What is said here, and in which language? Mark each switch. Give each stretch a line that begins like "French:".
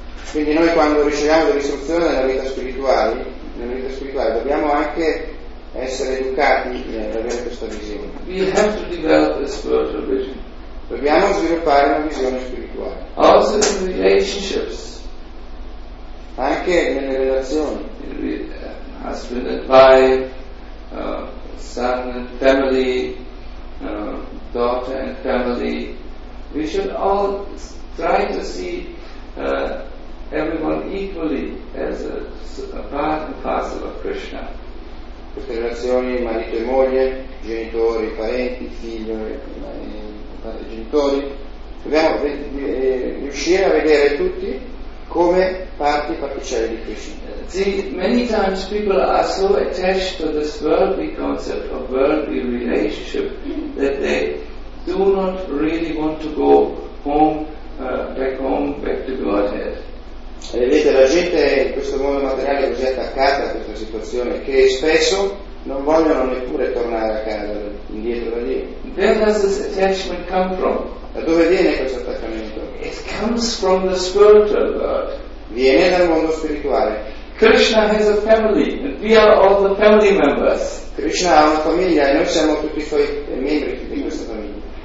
Italian: Quindi noi quando riceviamo l'istruzione nella vita spirituale, dobbiamo anche essere educati ad avere questa visione.
English: We have to develop a spiritual vision.
Italian: Dobbiamo sviluppare una visione spirituale.
English: Also in relationships.
Italian: Anche nelle relazioni.
English: Husband and wife, son and family, daughter and family. We should all try to see everyone equally as a part and parcel of Krishna.
Italian: Queste relazioni marito e moglie, genitori, parenti, figlio e genitori, dobbiamo riuscire a vedere tutti come parti particelle di Krishna.
English: See, many times people are so attached to this worldly concept of worldly relationship that they do not really want to go home, back home, back to Godhead.
Italian: E vedete, la gente in questo mondo materiale è così attaccata a questa situazione che spesso non vogliono neppure tornare a casa, indietro da lì.
English: Where does this attachment come from?
Italian: Da dove viene questo attaccamento?
English: It comes from the spiritual world.
Italian: Viene dal mondo spirituale.
English: Krishna has a family, and we are all the family members.
Italian: Krishna ha una famiglia e noi siamo tutti i suoi membri di questa famiglia.